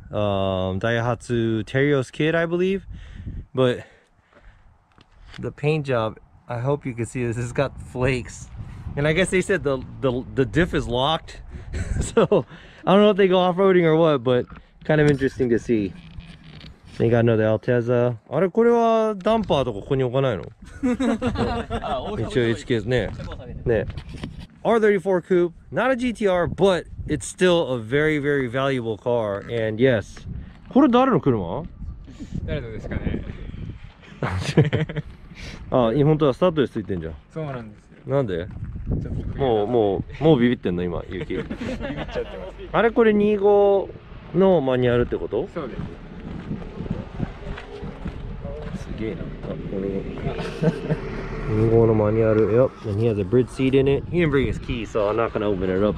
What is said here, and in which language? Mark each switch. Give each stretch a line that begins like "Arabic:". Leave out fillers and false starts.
English: Daihatsu Terios Kid, I believe. But the paint job, I hope you can see this. It's got flakes. And I guess they said the diff is locked. So I don't know if they go off-roading or what, but kind of interesting to see. They got another Alteza.
Japanese: あれこれはダンパーとかここに置かないの? 一応 HKS ね。ね。
English: R34 Coupe, not a GTR, but it's still a very, very valuable car. And yes.
Japanese: これ誰の車? 誰のですかね。あ、本当はスタッドレスついてんじゃん。そうなんですよ。なんで? もうビビってんの今、ゆき。ビビっちゃってます。あれこれ25のマニュアルってこと? そうです。
English: Yep, and he has a bridge seat in it. He didn't bring his key, so I'm not gonna open it up.